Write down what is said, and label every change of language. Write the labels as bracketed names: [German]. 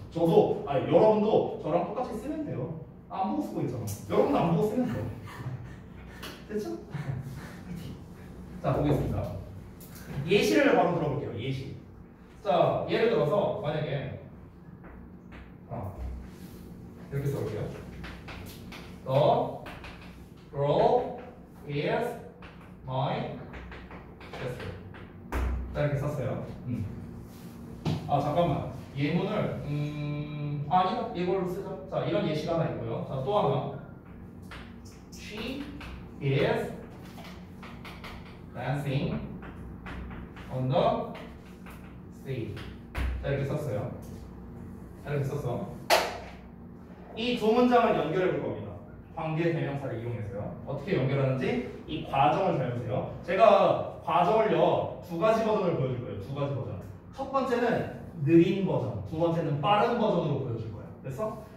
[Korean] 저도, 아니, 여러분도 저랑 똑같이 쓰면 돼요. 안 보고 쓰고 있잖아. 여러분도 안 보고 쓰면 돼요. 됐죠? 자, 보겠습니다. 예시를 바로 들어볼게요. 예시. 자, 예를 들어서, 만약에, 아, 이렇게 써볼게요. [English] The girl is my best friend. [Korean] 자, 이렇게 썼어요. 아, 잠깐만. 예문을, 아니요. 이걸로 쓰자. 자, 이런 예시가 하나 있고요. 자, 또 하나. [English] She is dancing on the stage. [Korean] 자, 이렇게 썼어요. 자, 이렇게 썼어. 이 두 문장을 연결해 볼 겁니다. 관계 대명사를 이용해서요. 어떻게 연결하는지 이 과정을 잘 보세요. 제가 과정을요, 두 가지 버전을 보여줄 거예요. 두 가지 버전. 첫 번째는 느린 버전, 두 번째는 빠른 버전으로 보여줄 거예요. 됐어?